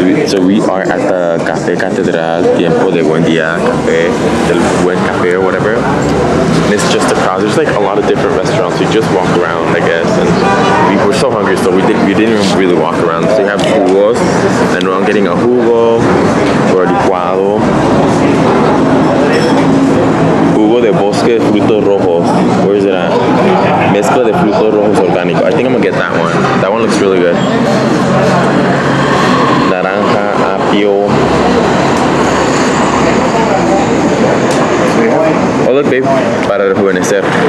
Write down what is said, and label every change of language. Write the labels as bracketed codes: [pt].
[en] So we are at the Cafe Catedral, Tiempo de Buen Día Cafe, del Buen Cafe, or whatever. And it's just a crowd. There's like a lot of different restaurants. You just walk around, I guess. And we were so hungry, so we didn't really walk around. So they have jugos, and I'm getting a jugo, or a licuado. [es] Jugo de bosque de frutos rojos. [en] Where is it at? [es] Mezcla de frutos rojos orgánico. [en] I think I'm gonna get that one. That one looks really good. [es] Naranja, apio. [en] Oh, look, babe. [es] Para rejuvenecer.